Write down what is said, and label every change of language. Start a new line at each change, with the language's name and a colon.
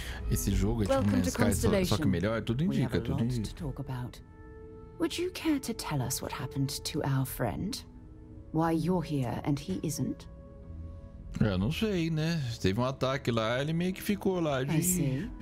Portuguese: Esse jogo é tipo Man's Sky, só que melhor, tudo indica, tudo indica.
English: Would you care to tell us what happened to our friend? Why you're here and he isn't?
Portuguese: Eu não sei, né? Teve um ataque lá, ele meio que ficou lá de...